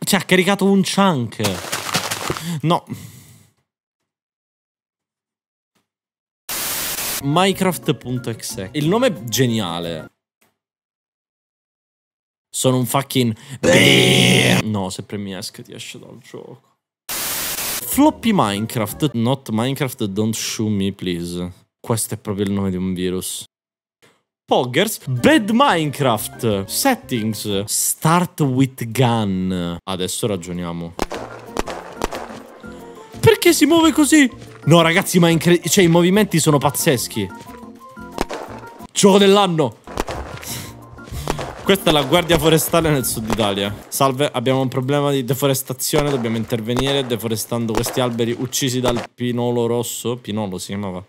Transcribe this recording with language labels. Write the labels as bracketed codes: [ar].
[it] Cioè, ha caricato un chunk. No. Minecraft.exe. Il nome è geniale. Sono un fucking... No, se premi esco ti esce dal gioco. [en] Floppy Minecraft, not Minecraft, don't shoot me, please. [it] Questo è proprio il nome di un virus. [en] Poggers, bad Minecraft, settings, start with gun. [it] Adesso ragioniamo. Perché si muove così? No, ragazzi, ma cioè, i movimenti sono pazzeschi. Gioco dell'anno. Questa è la guardia forestale nel sud Italia. Salve, abbiamo un problema di deforestazione, dobbiamo intervenire deforestando questi alberi uccisi dal pinolo rosso. Pinolo si chiamava.